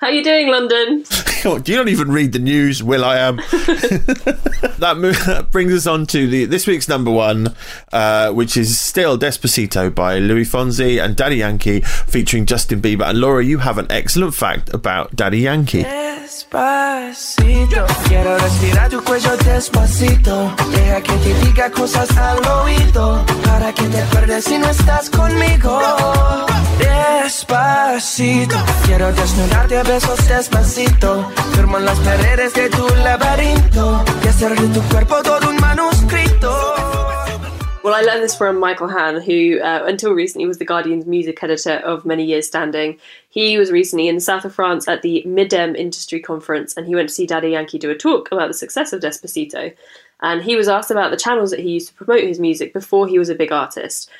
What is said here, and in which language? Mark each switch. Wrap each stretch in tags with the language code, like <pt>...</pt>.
<en>How you doing, London? Do you not even read the news, Will.i.am? That brings us on to this week's number one, which is still Despacito by Luis Fonsi and Daddy Yankee featuring Justin Bieber. And Laura, you have an excellent fact about Daddy Yankee.</en> <es>Despacito, quiero respirar tu cuello despacito. Deja que te diga cosas al oído, para que te acuerdes si no estás conmigo. Despacito. despacito. Quiero desnudarte a besos despacito. Firmo en las paredes de tu laberinto. Y hacer de tu cuerpo todo un manuscrito.</es> <en>Well, I learned this from Michael Hann, who until recently was the Guardian's music editor of many years standing. He was recently in the south of France at the Midem industry conference, and he went to see Daddy Yankee do a talk about the success of Despacito. And he was asked about the channels that he used to promote his music before he was a big artist.</en>